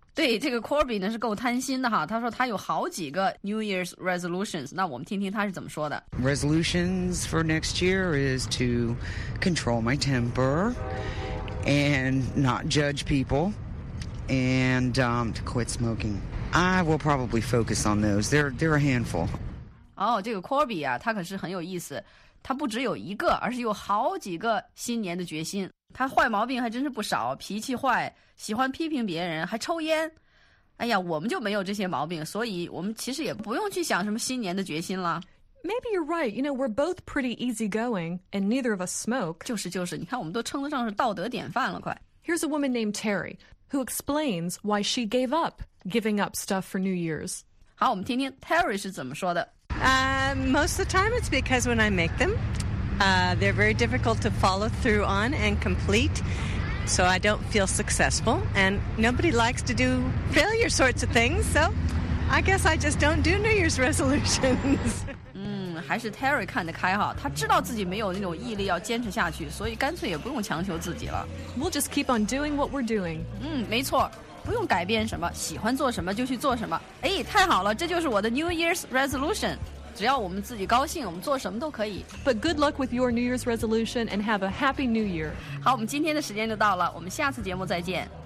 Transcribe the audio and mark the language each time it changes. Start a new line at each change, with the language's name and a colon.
Chinese: 对，这个 Corby 呢是够贪心的哈，他说他有好几个 New Year's resolutions, 那我们听听他是怎么说的。
English: Resolutions for next year is to control my temper and not judge people and, to quit smoking. I will probably focus on those, they're a handful.
Chinese: 哦，这个 Corby 啊，他可是很有意思，他不只有一个，而是有好几个新年的决心。他坏毛病还真是不少，脾气坏，喜欢批评别人，还抽烟。哎呀，我们就没有这些毛病，所以我们其实也不用去想什么新年的决心了。
English: Maybe you're right. You know, we're both pretty easygoing, and neither of us smoke.
Chinese: 就是就是，你看我们都称得上是道德典范了，快。
English: Here's a woman named Terry, who explains why she gave up giving up stuff for New Year's.
Chinese: 好，我们听听 Terry 是怎么说的。
English: Most of the time it's because when I make them,they're very difficult to follow through on and complete, so I don't feel successful, and nobody likes to do failure sorts of things, so I guess I just don't do New Year's resolutions.
Chinese: 还是 Terry 看得开哈，他知道自己没有那种毅力要坚持下去，所以干脆也不用强求自己了。
English: We'll just keep on doing what we're doing.
Chinese: 没错，不用改变什么，喜欢做什么就去做什么。哎，太好了，这就是我的 New Year's resolution. 只要我们自己高兴，我们做什么都可以。
English: But good luck with your New Year's resolution and have a happy New Year.
Chinese: 好，我们今天的时间就到了，我们下次节目再见。